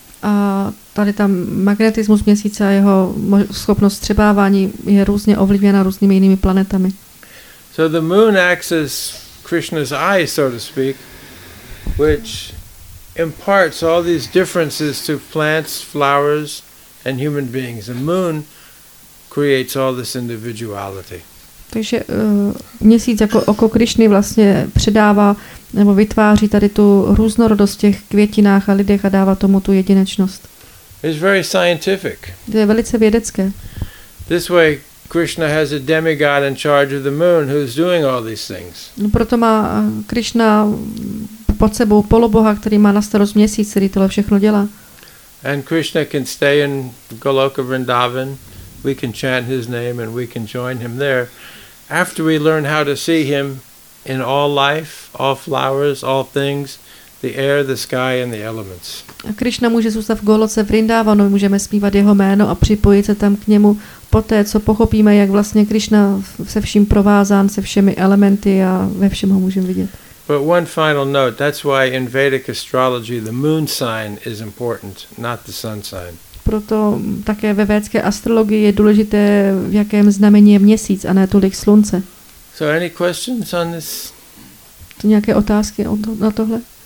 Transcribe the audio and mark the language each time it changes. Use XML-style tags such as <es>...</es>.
<cs>A tady tam magnetismus měsíce a jeho schopnost střebávání je různě ovlivněna různými jinými planetami.</cs> <en>So the moon acts as Krishna's eye, so to speak, which imparts all these differences to plants, flowers, and human beings. The moon creates all this individuality.</en> <cs>Takže měsíc jako oko Krišny vlastně předává nebo vytváří tady tu různorodost v těch květinách a lidech a dává tomu tu jedinečnost.</cs> <en>It's very scientific.</en> <cs>To je velice vědecké.</cs> <en>This way Krishna has a demigod in charge of the moon who's doing all these things.</en> <cs>No, proto má Krishna pod sebou poloboha, který má na starost měsíc, který tohle všechno dělá.</cs> <en>And Krishna can stay in Goloka Vrindavan. We can chant his name and we can join him there after we learn how to see him in all life, all flowers, all things, the air, the sky and the elements.</en> <cs>A Krishna může zůstat v Goloce Vrindavanu, můžeme zpívat jeho jméno a připojit se tam k němu poté, co pochopíme, jak vlastně Krishna se vším provázán, se všemi elementy a ve všem ho můžeme vidět.</cs> <en>But one final note, that's why in Vedic astrology the moon sign is important, not the sun sign.</en> <cs>Proto také ve védské astrologii je důležité, v jakém znamení je měsíc, a ne tolik slunce.</cs> <en>So any questions on this?</en> <cs>To nějaké otázky na tohle?</cs>